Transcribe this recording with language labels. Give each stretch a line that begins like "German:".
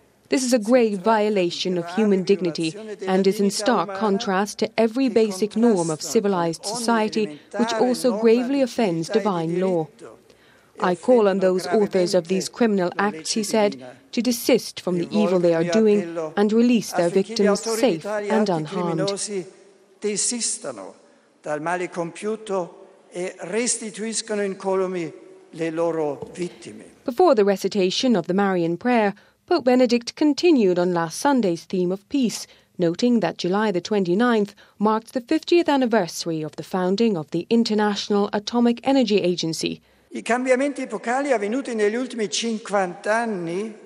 English: This is a grave violation of human dignity and is in stark contrast to every basic norm of civilized society, which also gravely offends divine law. I call on those authors of these criminal acts, he said, to desist from the evil they are doing and release their victims safe and unharmed.
Italian: Dal male compiuto e restituiscono incolumi le loro vittime.
English: Before the recitation of the Marian prayer, Pope Benedict continued on last Sunday's theme of peace, noting that July the 29th marked the 50th anniversary of the founding of the International Atomic Energy Agency.
Italian: I cambiamenti epocali avvenuti negli ultimi 50 anni.